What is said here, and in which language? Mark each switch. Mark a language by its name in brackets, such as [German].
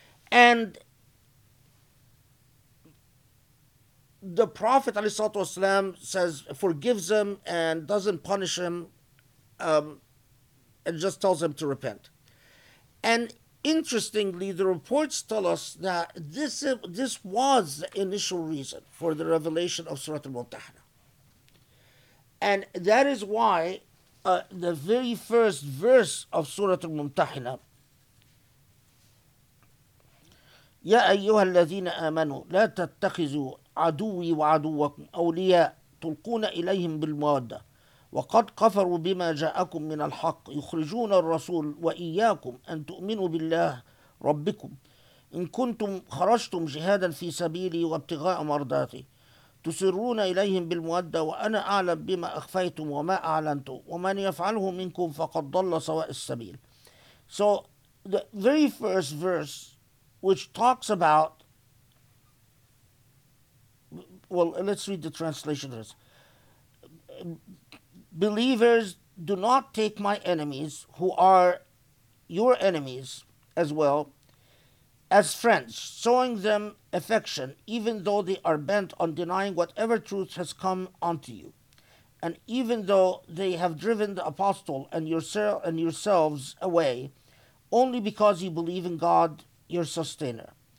[English] And the Prophet ﷺ says, forgives him and doesn't punish him, and just tells him to repent. And interestingly, the reports tell us that this was the initial reason for the revelation of Surah Al-Mumtahana. And that is why the very first verse of Surah Al-Mumtahana, [Arabic] يا أيها الذين آمنوا لا تتخذوا عدوي وعدوكم أولياء تلقون إليهم بالمودة وقد كفروا بما جاءكم من الحق يخرجون الرسول وإياكم أن تؤمنوا بالله ربكم إن كنتم خرجتم جهادا في سبيلي وابتغاء مرضاتي تسرون إليهم بالمودة وأنا أعلم بما أخفيتم وما أعلنتم ومن يفعله منكم فقد ضل سواء السبيل. [English] So the very first verse, which talks about, well, let's read the translation of this. Believers, do not take my enemies, who are your enemies as well, as friends, showing them affection, even though they are bent on denying whatever truth has come unto you, and even though they have driven the apostle and yourselves away, only because you believe in God, your sustainer.